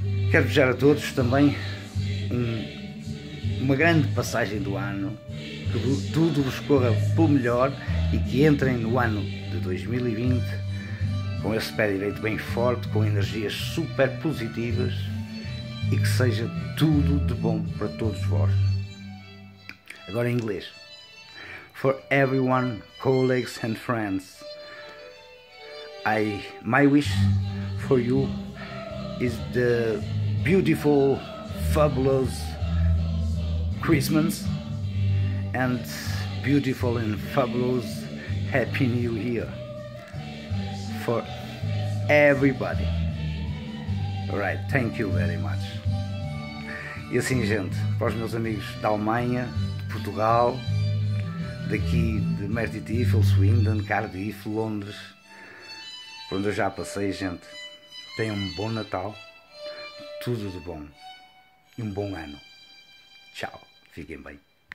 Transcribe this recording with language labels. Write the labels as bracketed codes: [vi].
[pt] Quero desejar a todos também uma grande passagem do ano, que tudo vos corra pelo melhor e que entrem no ano de 2020 com esse pé direito bem forte, com energias super positivas e que seja tudo de bom para todos vós. Agora em inglês. [en] For everyone, colleagues and friends, my wish for you is the beautiful, fabulous Christmas and beautiful and fabulous Happy New Year for everybody. Alright, thank you very much. [pt] E assim, gente, para os meus amigos da Alemanha, de Portugal, daqui de Merthyr, Swindon, Cardiff, Londres, por onde eu já passei, gente, tenham um bom Natal, tudo de bom e um bom ano. Tchau, fiquem bem.